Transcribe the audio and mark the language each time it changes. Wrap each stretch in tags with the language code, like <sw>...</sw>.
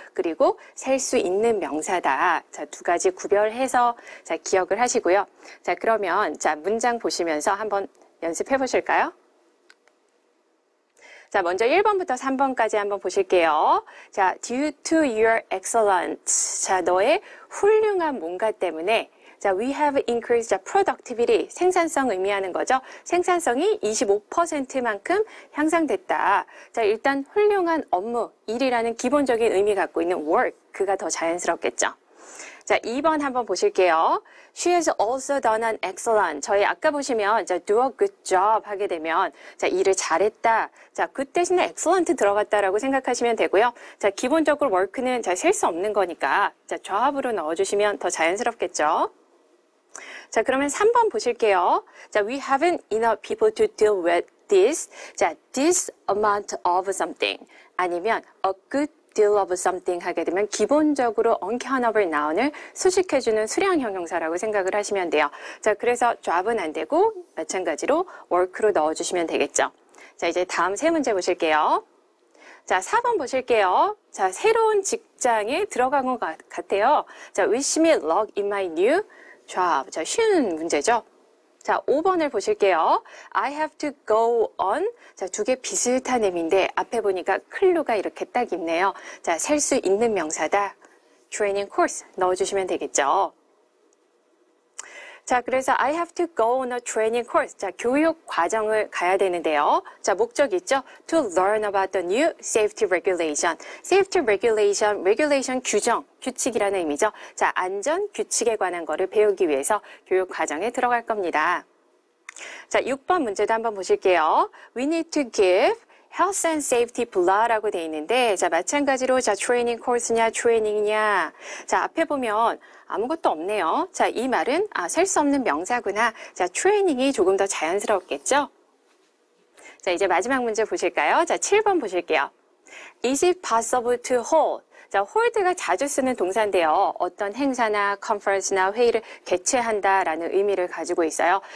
<ko>그리고 셀수 있는 명사다. 자, 두 가지 구별해서 자, 기억을 하시고요. 자, 그러면 자, 문장 보시면서 한번 연습해 보실까요? 자, 먼저 1번부터 3번까지 한번 보실게요.</ko> <en>자, due to your excellence.</en> <ko>자, 너의 훌륭한 뭔가 때문에.</ko> <en>자, we have increased productivity.</en> <ko>생산성 의미하는 거죠. 생산성이 25%만큼 향상됐다. 자, 일단 훌륭한 업무, 일이라는 기본적인 의미 갖고 있는 work. 그가 더 자연스럽겠죠. 자, 2번 한번 보실게요.</ko> <en>She has also done an excellent.</en> <ko>저희 아까 보시면, 자,</ko> <en>do a good job</en> <ko>하게 되면, 자, 일을 잘했다. 자, 그 대신에 excellent 들어갔다라고 생각하시면 되고요. 자, 기본적으로 work는, 자, 셀수 없는 거니까, 자, job으로 넣어주시면 더 자연스럽겠죠. 자, 그러면 3번 보실게요.</ko> <en>자, we haven't enough people to deal with this. 자, this amount of something.</en> <ko>아니면,</ko> <en>a good deal of something</en> <ko>하게 되면 기본적으로</ko> <en>uncountable noun</en> <ko>을 수식해주는 수량 형용사라고 생각을 하시면 돼요. 자, 그래서 job은 안 되고 마찬가지로 work로 넣어주시면 되겠죠. 자, 이제 다음 세 문제 보실게요. 자, 4번 보실게요. 자, 새로운 직장에 들어간 것 같아요.</ko> <en>자, wish me luck in my new job.</en> <ko>자, 쉬운 문제죠. 자, 5번을 보실게요.</ko> <en>I have to go on.</en> <ko>자, 두개 비슷한 의미인데 앞에 보니까 클로가 이렇게 딱 있네요. 자, 셀수 있는 명사다. Training course 넣어주시면 되겠죠.</ko> <en>자, 그래서 I have to go on a training course.</en> <ko>자, 교육 과정을 가야 되는데요. 자, 목적 있죠?</ko> <en>To learn about the new safety regulation.</en> <ko>Safety regulation 규정, 규칙이라는 의미죠. 자, 안전 규칙에 관한 거를 배우기 위해서 교육 과정에 들어갈 겁니다. 자, 6번 문제도 한번 보실게요.</ko> <en>We need to give health and safety blah</en> <ko>라고 돼 있는데, 자, 마찬가지로 자, training course냐, training이냐. 자, 앞에 보면 아무것도 없네요. 자, 이 말은, 아, 셀수 없는 명사구나. 자, 트레이닝이 조금 더 자연스럽겠죠? 자, 이제 마지막 문제 보실까요?</ko> <en>자, 7번 보실게요. Is it possible to hold?</en> <ko>자, hold가 자주 쓰는 동사인데요. 어떤 행사나 conference나 회의를 개최한다라는 의미를 가지고 있어요.</ko>